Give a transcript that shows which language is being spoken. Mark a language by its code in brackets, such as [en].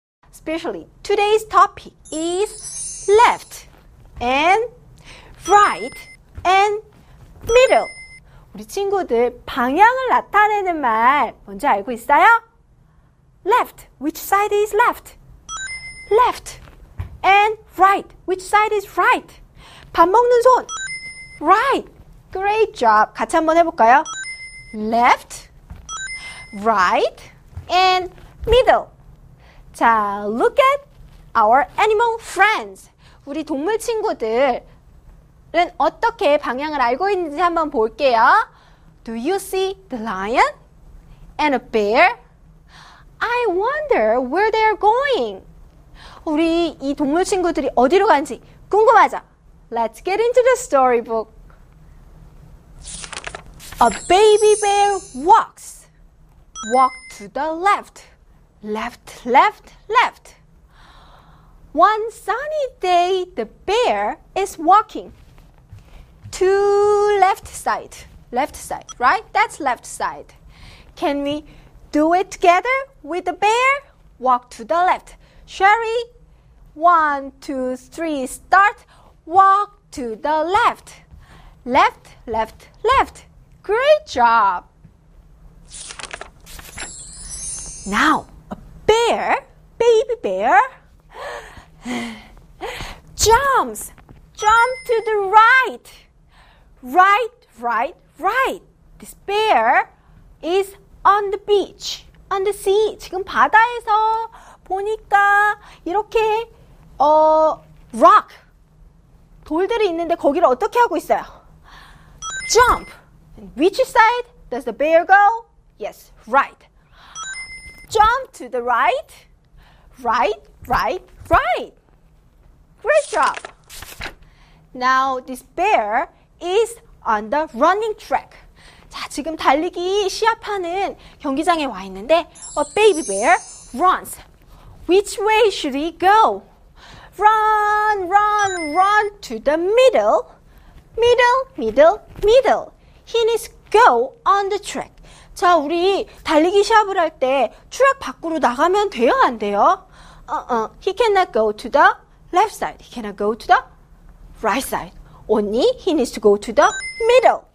[en] Especially, today's topic is left and right and middle. [ko] 우리 친구들 방향을 나타내는 말 뭔지 알고 있어요? [en] Left, which side is left? Left. And right, which side is right? [ko] 밥 먹는 손. [en] Right. Great job. [ko] 같이 한번 해볼까요? [en] Left, right, and middle. 자, look at our animal friends. [ko] 우리 동물 친구들은 어떻게 방향을 알고 있는지 한번 볼게요. [en] Do you see the lion and a bear? I wonder where they are going. [ko] 우리 이 동물 친구들이 어디로 가는지 궁금하죠? [en] Let's get into the storybook. A baby bear walks. Walk to the left. Left, left, left. One sunny day, the bear is walking. To left side. Left side, right? That's left side. Can we do it together with the bear? Walk to the left. Sherry, one, two, three, start. Walk to the left. Left, left, left. Great job. Now, a bear, baby bear, jumps. Jump to the right. Right, right, right. This bear is on the beach, on the sea. [ko] 지금 바다에서 보니까 이렇게 rock, 돌들이 있는데 거기를 어떻게 하고 있어요? [en] Jump. And which side does the bear go? Yes, right. Jump to the right. Right, right, right. Great job. Now this bear is on the running track. [ko] 자, 지금 달리기 시합하는 경기장에 와 있는데 [en] a baby bear runs. Which way should he go? Run, run, run to the middle. Middle, middle, middle. He needs go on the track. [ko] 자, 우리 달리기 시합을 할 때 트랙 밖으로 나가면 돼요, 안 돼요? [en] He cannot go to the left side. He cannot go to the right side. Only he needs to go to the middle.